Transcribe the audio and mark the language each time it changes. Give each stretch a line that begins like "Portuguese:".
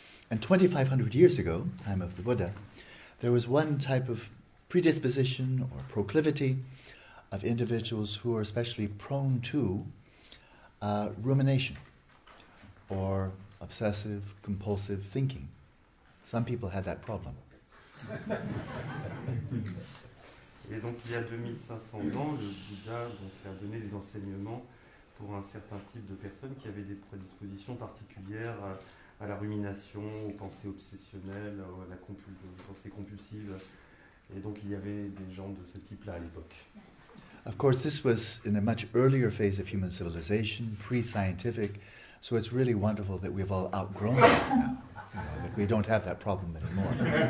English: And 2500 years ago, time of the Buddha, there was one type of predisposition or proclivity of individuals who are especially prone to rumination, or obsessive, compulsive thinking. Some people had that problem.
French: Et donc il y a 2500 ans, le Bouddha a donné des enseignements pour un certain type de personnes qui avaient des prédispositions particulières à la rumination, aux pensées obsessionnelles, à la pensée compulsive. Et donc il y avait des gens de ce type-là à l'époque.
English: Of course, this was in a much earlier phase of human civilization, pre-scientific, so it's really wonderful that we've all outgrown that now, you know, that we don't have that problem anymore.